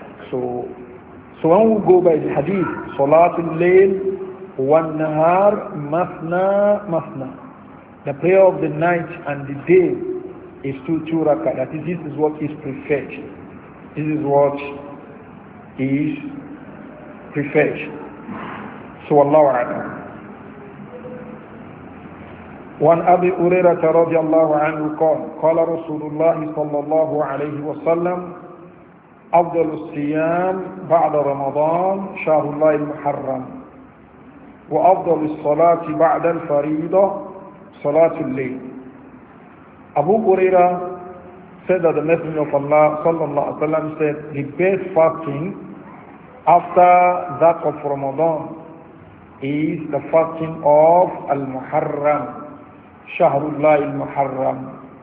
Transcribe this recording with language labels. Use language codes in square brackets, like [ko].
[en] So when we go by the hadith, [ar] Salatul Layl wa Nahar Masna Masna, [en] the prayer of the night and the day is 2 raka. That is, this is what is preferred. This is what is preferred. So Allahu A'lam. [ar] وعن أبي هريرة رضي الله عنه قال قال رسول الله صلى الله عليه وسلم أفضل الصيام بعد رمضان شهر الله المحرم وأفضل الصلاة بعد الفريضة صلاة الليل. [en] أبو هريرة said that the Messenger of Allah [ar] صلى الله عليه وسلم [en] said the best fasting after that of Ramadan is the fasting of المحرم Shahrullah al-Muharram.